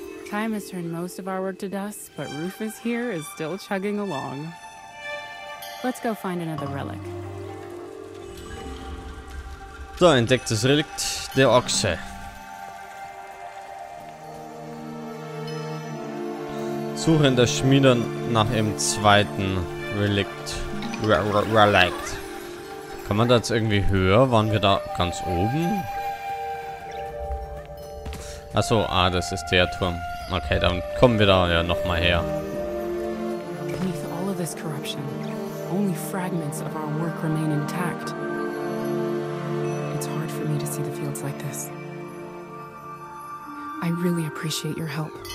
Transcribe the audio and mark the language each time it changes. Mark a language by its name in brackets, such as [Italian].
[English] Time has turned most of our work to dust, but Rufus here is still chugging along. Let's go find another relic. [German] So, entdecktes Relikt, der Ochse. Suche in der Schmiede nach dem zweiten Relikt. Relikt. Kann man da jetzt irgendwie höher? Waren wir da ganz oben? Achso, ah, das ist der Turm. Okay, dann kommen wir da ja nochmal her. [English] Beneath all of this corruption, only fragments of our work remain intact. It's hard for me to see the fields like this. I really appreciate your help.